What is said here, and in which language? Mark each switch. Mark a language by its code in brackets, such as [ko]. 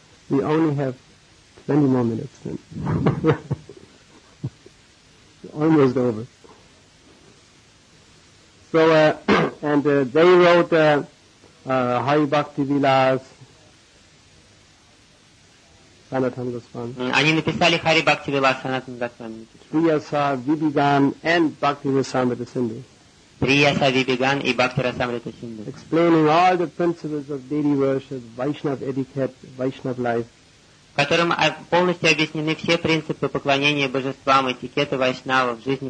[en] We only have 20 more minutes then. Almost over. So, and they wrote Hari Bhakti Vilas. Sanatana Goswami. [ru] Они написали Хари Бхакти Вилас Санатана Госвами. [en] Приаса Вибиган and Бхакти Расамрита Синдху. [ru] Приаса Вибиган и Бхакти Расамрита Синдху. [en] Explaining all the principles of deity worship, Vaishnav etiquette, Vaishnav life. [ru] В котором полностью объяснены все принципы поклонения божествам, этикеты вайшнавов, жизни